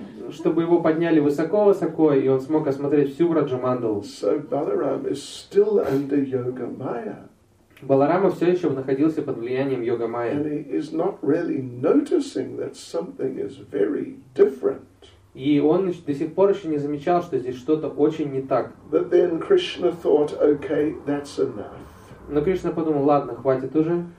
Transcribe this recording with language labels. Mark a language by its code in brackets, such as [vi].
[ru] Чтобы его подняли высоко-высоко, и он смог осмотреть всю Враджа-мандалу. [en] So Balaram is still under Yoga Maya. [ru] Баларама все еще находился под влиянием Йога Майя. [en] And he is not really noticing that something is very different. [ru] И он до сих пор еще не замечал, что здесь что-то очень не так. [en] But then Krishna thought, okay, that's enough. [ru] Но Кришна подумал, ладно, хватит уже.